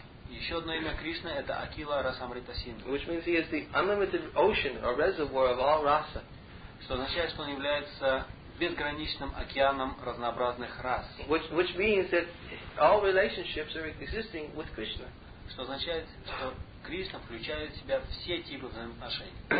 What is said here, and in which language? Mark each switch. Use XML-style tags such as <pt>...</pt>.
<ru>Еще одно имя Кришны это Акила Расамрита Синдху.</ru> <en>Which means he is the unlimited ocean or reservoir of all rasa.</en> <ru>Что означает, что он является безграничным океаном разнообразных рас.</ru> <en>Which means that all relationships are existing with Krishna.</en> <ru>Что означает, что Кришна включает в себя все типы взаимоотношений.</ru>